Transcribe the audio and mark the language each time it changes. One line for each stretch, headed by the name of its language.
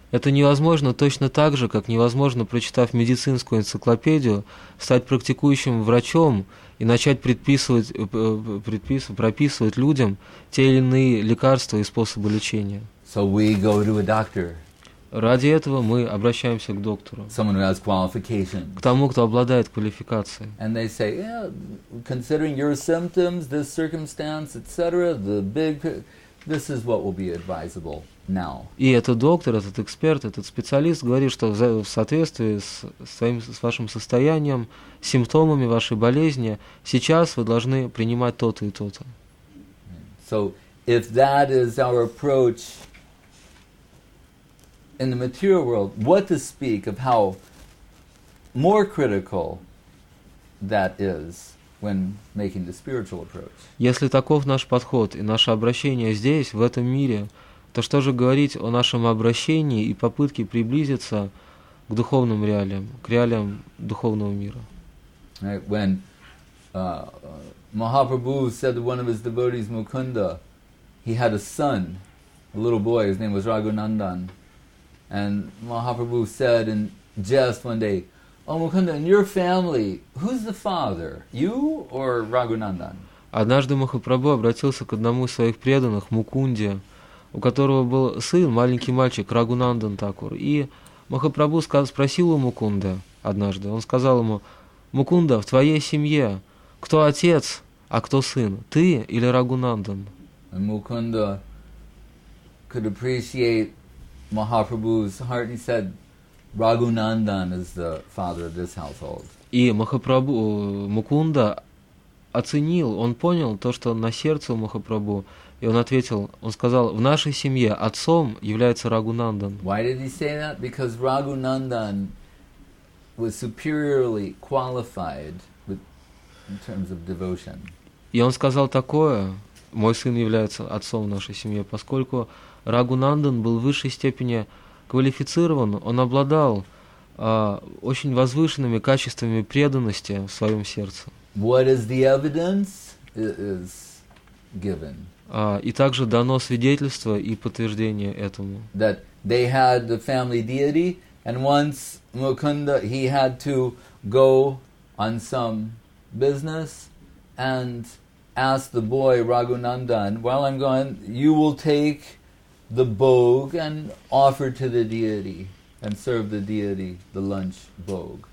Russian: Это невозможно точно так же, как невозможно, прочитав медицинскую энциклопедию, стать практикующим врачом и начать прописывать людям те или иные лекарства и способы лечения.
English: So we go to a doctor.
Russian: Ради этого мы обращаемся к доктору.
English: Someone who has qualifications.
Russian: К тому, кто обладает квалификацией.
English: And they say, yeah, considering your symptoms, this circumstance, etc., this is what will be advisable. Now.
Russian: И этот доктор, этот эксперт, этот специалист говорит, что в соответствии с вашим состоянием, симптомами вашей болезни, сейчас вы должны принимать то-то и то-то.
English: So, if that is our approach in the material world, what to speak of how more critical that is when making the spiritual approach?
Russian: Если таков наш подход и наше обращение здесь, в этом мире, то что же говорить о нашем обращении и попытке приблизиться к духовным реалиям, к реалиям духовного мира?
English: Right, when Mahaprabhu said to one of his devotees, Mukunda, he had a son, a little boy, his name was Raghunandan, and Mahaprabhu said in jest one day, oh, Mukunda, in your family, who's the father, you or Raghunandan?
Russian: Однажды Махапрабху обратился к одному из своих преданных, Мукунде, у которого был сын, маленький мальчик, Рагунандан Такур. И Махапрабху спросил у Мукунды однажды, он сказал ему, Мукунда, в твоей семье кто отец, а кто сын, ты или Рагунандан?
English: And Mukunda could appreciate Mahaprabhu's heart and said, Raghunandan is the father of this household.
Russian: И Махапрабху, Мукунда оценил, он понял то, что на сердце у Махапрабху. И он ответил, он сказал, в нашей семье отцом является Рагунандан.
English: Why did he say that? Because Raghunandan was superiorly qualified with, in terms of devotion.
Russian: И он сказал такое, мой сын является отцом в нашей семье, поскольку Рагунандан был в высшей степени квалифицирован, он обладал очень возвышенными качествами преданности в своем сердце.
English: What is the evidence is given?
Russian: И также дано свидетельство и подтверждение этому.
English: That they had the family deity, and once Mukunda, he had to go on some business and ask the boy Raghunandan, while I'm gone, you will take the bhog and offer to the deity and serve the deity the lunch bhog.